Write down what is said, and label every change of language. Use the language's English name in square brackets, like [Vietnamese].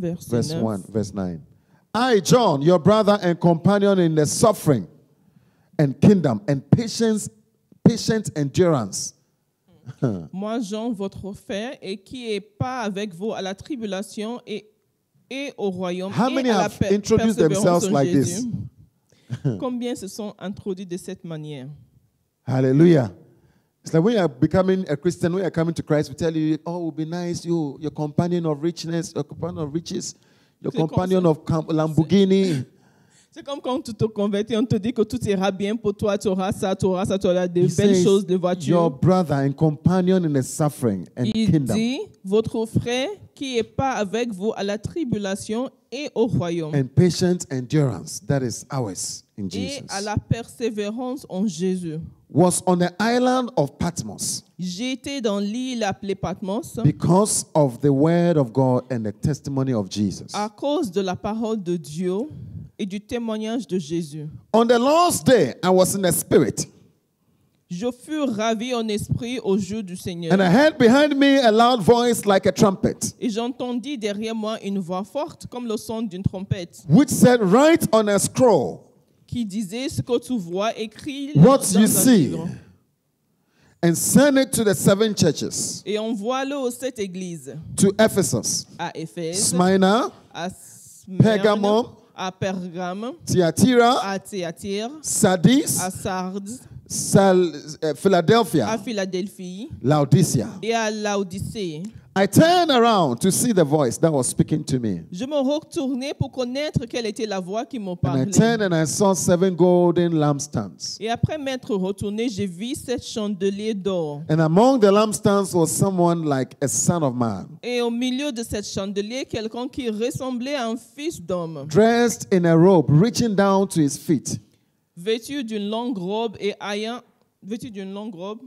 [English] verse 9. I, John, your brother and companion in the suffering and kingdom and patient endurance. [French] Moi, Jean, votre frère, et qui est pas avec vous à la tribulation et au royaume. [English] How many [French] et à [English] have [French] la [English] introduced themselves like [French] Jésus? [English] This? [French] Combien se sont introduits de cette manière? [English] Hallelujah. It's like when you are becoming a Christian, when you are coming to Christ, we tell you, oh, it would be nice, you, your companion of richness, your companion of riches, your companion of Lamborghini. [French] C'est comme quand tu te convertis, on te dit que tout ira bien pour toi, tu auras ça, tu auras des belles choses, des voitures. [English] Your brother and companion in the suffering and [French] il [English] kingdom. [French] Dit, votre frère qui n'est pas avec vous à la tribulation et au royaume. [English] And patient endurance, that is ours in Jesus. [French] Et à la persévérance en Jésus. [English] Was on the island of Patmos. [French] J'étais dans l'île appelée Patmos. [English] Because of the word of God and the testimony of Jesus. [French] À cause de la parole de Dieu. Et du témoignage de Jésus. [English] On the last day, I was in the spirit. [French] Je fus ravi en esprit au jour du Seigneur. [English] And I heard behind me a loud voice like a trumpet. [French] Et j'entendis derrière moi une voix forte comme le son d'une trompette. [English] Which said, write on a scroll. [French] Qui disait ce que tu vois, écris dans un livre. [English] What you see. [French] Livre. [English] And send it to the seven churches. [French] Et envoie-le aux sept églises. [English] To Ephesus. [French] À Éphèse. [English] Smyrna. [French] À Smyrne. [English] Pergamum. [French] À Pergame, [English] Thyatira, [French] à Thyatira, [English] Sardis, [French] à Sardes, [English] Philadelphia, [French] à Philadelphie, [English] Laodicea, [French] et à Laodicée. [English] I turned around to see the voice that was speaking to me. [French] Je me retournai pour connaître quelle était la voix qui me parlait. [English] And I turned and I saw seven golden lampstands. [French] Et après m'être retourné, j'ai vu sept chandeliers d'or. [English] And among the lampstands was someone like a son of man. [French] Et au milieu de cette chandelier, quelqu'un qui ressemblait à un fils d'homme. [English] Dressed in a robe reaching down to his feet. [French] Vêtu d'une longue robe et ayant vêtu d'une longue robe,